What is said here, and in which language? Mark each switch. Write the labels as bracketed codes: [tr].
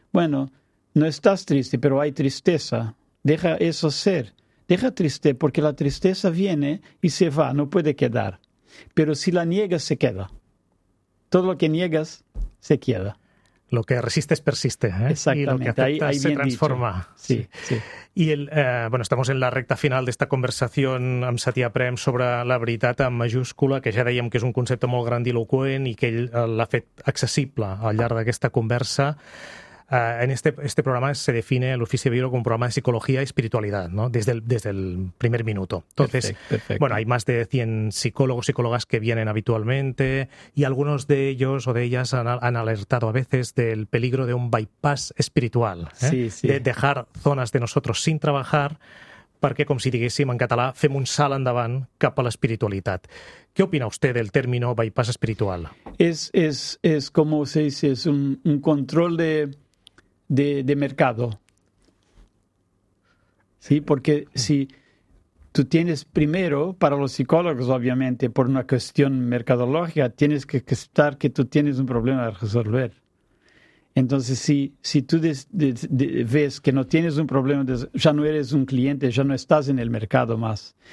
[es] Bueno, no estás triste, pero hay tristeza. Deja eso ser. Deja triste, porque la tristeza viene y se va, no puede quedar. Pero si la niegas, se queda. Todo lo que niegas, se queda. Lo que resistes persiste, ¿eh? Exactamente. Y lo que aceptas ahí se transforma. Sí, sí. Y estamos en la recta final [ca] d'esta conversació amb Satyaprem sobre la veritat en majúscula, que ja dèiem que és un concepte molt grandiloquent i que ell l'ha fet accessible al llarg d'aquesta conversa. [es] En este programa se define el oficio de biólogo como un programa de psicología y espiritualidad, ¿no? Desde el primer minuto. Entonces, bueno, hay más de 100 psicólogos, psicólogas que vienen habitualmente y algunos de ellos o de ellas han alertado a veces del peligro de un bypass espiritual, ¿eh? Sí. De dejar zonas de nosotros sin trabajar [ca] perquè, com si diguéssim en català, fem un salt endavant cap a l'espiritualitat. Què opina vostè del término bypass espiritual? [es] És com se dice, és un control de mercado. Sí, porque si tú tienes primero, para los psicólogos, obviamente, por una cuestión mercadológica, tienes que aceptar que tú tienes un problema a resolver. Entonces, si tú ves que no tienes un problema, ya no eres un cliente, ya no estás en el mercado más.